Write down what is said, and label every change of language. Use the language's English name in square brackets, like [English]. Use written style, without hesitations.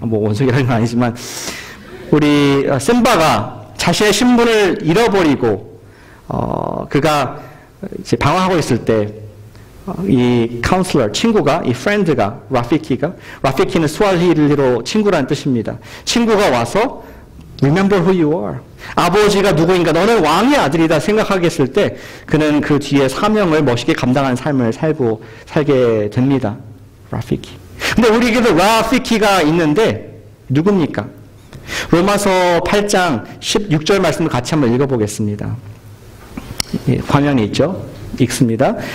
[Korean] 뭐 원숭이라는 건 아니지만 우리 심바가 자신의 신분을 잃어버리고 그가 이제 방황하고 있을 때 이 카운슬러 친구가 이 프렌드가 라피키가 라피키는 스와힐리로 친구라는 뜻입니다. 친구가 와서 [English] Remember who you are. [Korean] 아버지가 누구인가? 너는 왕의 아들이다 생각하겠을 때 그는 그 뒤에 사명을 멋있게 감당하는 삶을 살게 됩니다. 라피키. 근데 우리에게도 라피키가 있는데 누굽니까? 로마서 8장 16절 말씀을 같이 한번 읽어보겠습니다. 예, 화면이 있죠? 읽습니다.